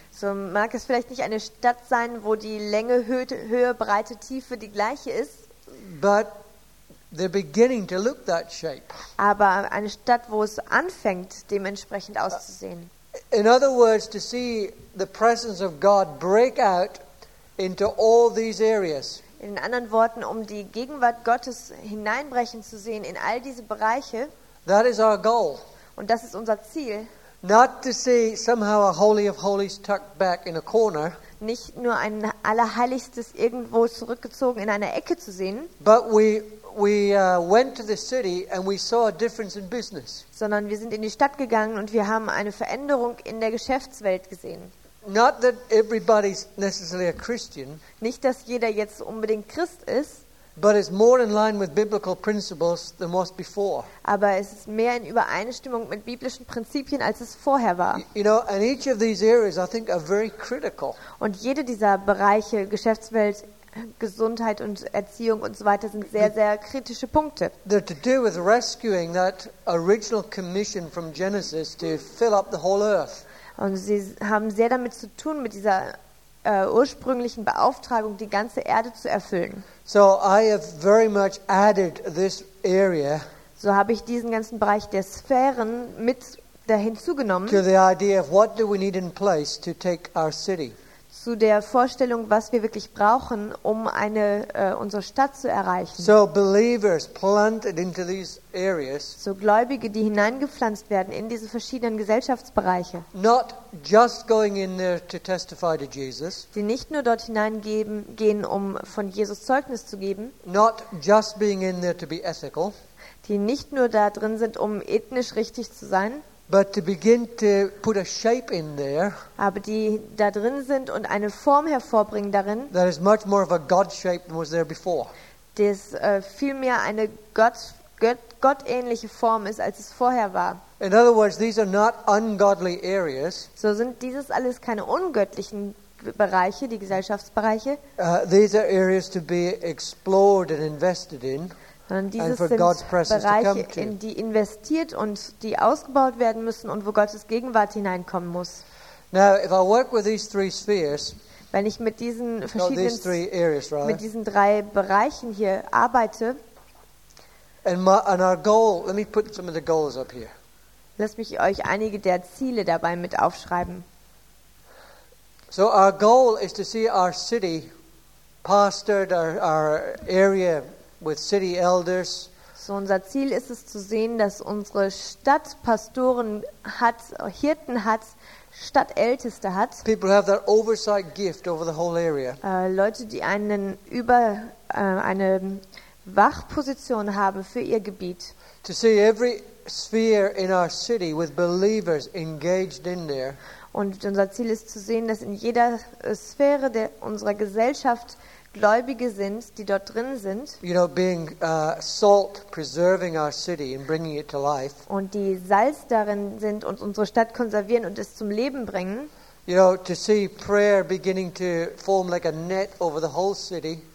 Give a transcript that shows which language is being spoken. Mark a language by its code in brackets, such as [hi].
[de] So mag es vielleicht nicht eine Stadt sein, wo die Länge, Höhe, Breite, Tiefe die gleiche ist. [en] But they're beginning to look that shape. [de] Aber eine Stadt, wo es anfängt, dementsprechend auszusehen. [en] In other words, to see the presence of God break out into all these areas. [de] In anderen Worten, um die Gegenwart Gottes hineinbrechen zu sehen in all diese Bereiche. [en] That is our goal. [de] Und das ist unser Ziel. [en] Not to see somehow a Holy of Holies tucked back in a corner. [de] Nicht nur ein Allerheiligstes irgendwo zurückgezogen in einer Ecke zu sehen. [en] But we went to the city and we saw a difference in business. [de] Sondern wir sind in die Stadt gegangen und wir haben eine Veränderung in der Geschäftswelt gesehen. [en] Not that everybody's necessarily a Christian. [de] Nicht, dass jeder jetzt unbedingt Christ ist. [en] But it's more in line with biblical principles than was before. [de] Aber es ist mehr in Übereinstimmung mit biblischen Prinzipien, als es vorher war. [en] You know, and each of these areas, I think, are very critical. [de] Und jede dieser Bereiche, Geschäftswelt, Gesundheit und Erziehung und so weiter, sind sehr, sehr kritische Punkte. [en] They're to do with rescuing that original commission from Genesis to fill up the whole earth. [de] Und sie haben sehr damit zu tun mit dieser ursprünglichen Beauftragung, die ganze Erde zu erfüllen. [en] So I have very much added this area. [de] So habe ich diesen ganzen Bereich der Sphären mit dahin zugenommen. [en] To the idea of what do we need in place to take our city. [de] Zu der Vorstellung, was wir wirklich brauchen, um eine unsere Stadt zu erreichen. [en] So believers planted into these areas. [de] So Gläubige, die hineingepflanzt werden in diese verschiedenen Gesellschaftsbereiche. [en] Not just going in there to testify to Jesus. [de] Die nicht nur dort hineingehen, um von Jesus Zeugnis zu geben. [en] Not just being in there to be ethical. [de] Die nicht nur da drin sind, um ethnisch richtig zu sein. [en] But to begin to put a shape in there. [de] Aber die da drin sind und eine Form hervorbringen darin. [en] That is much more of a God shape than was there before. [de] Das viel mehr eine gottähnliche Form ist, als es vorher war. [en] In other words, these are not ungodly areas. [de] So sind dieses alles keine ungöttlichen Bereiche, die Gesellschaftsbereiche. [en] These are areas to be explored and invested in. [de] Sondern diese sind Bereiche, in die investiert und die ausgebaut werden müssen und wo Gottes Gegenwart hineinkommen muss. [en] Now, if I work with these three spheres, [de] wenn ich mit diesen verschiedenen [en] these three areas, rather, [de] mit diesen drei Bereichen hier arbeite, [en] and our goal, let me put some of the goals up here. [de] Lass mich euch einige der Ziele dabei mit aufschreiben. [en] So our goal is to see our city pastored, our area with city elders. [de] So unser Ziel ist es zu sehen, dass unsere Stadt Pastoren hat, Hirten hat, Stadtälteste hat. [en] People have their oversight gift over the whole area. [de] Leute, die einen über eine Wachposition haben für ihr Gebiet. [en] To see every sphere in our city with believers engaged in there. [de] Und unser Ziel ist zu sehen, dass in jeder Sphäre der unserer Gesellschaft Gläubige sind, die dort drin sind. [en] You know, being salt, preserving our city and bringing it to life. [de] Und die Salz darin sind und unsere Stadt konservieren und es zum Leben bringen. [en] You know, to see prayer beginning to form like a net over the whole city.